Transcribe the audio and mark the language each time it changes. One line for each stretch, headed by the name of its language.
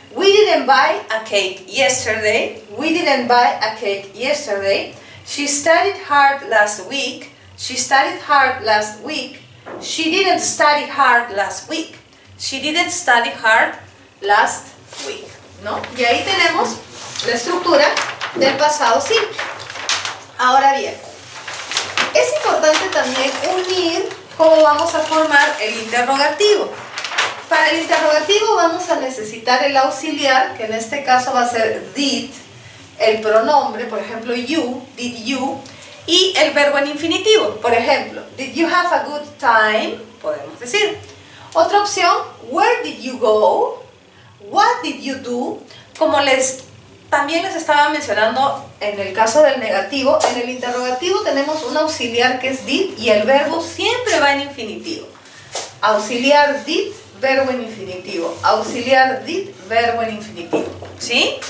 English: We didn't buy a cake yesterday. We didn't buy a cake yesterday. She studied hard last week. She studied hard last week. She didn't study hard last week. She didn't study hard last week, ¿no?
Spanish: Y ahí tenemos la estructura del pasado simple. Ahora bien, es importante también unir cómo vamos a formar el interrogativo. Para el interrogativo vamos a necesitar el auxiliar, que en este caso va a ser did, el pronombre, por ejemplo, you,
English: did you,
Spanish: y el verbo en infinitivo. Por ejemplo,
English: did you have a good time?
Spanish: Podemos decir. Otra opción,
English: where did you go? What did you do?
Spanish: Como les también les estaba mencionando en el caso del negativo, en el interrogativo tenemos un auxiliar que es did y el verbo siempre va en infinitivo. Auxiliar did, verbo en infinitivo. Auxiliar did, verbo en infinitivo. ¿Sí?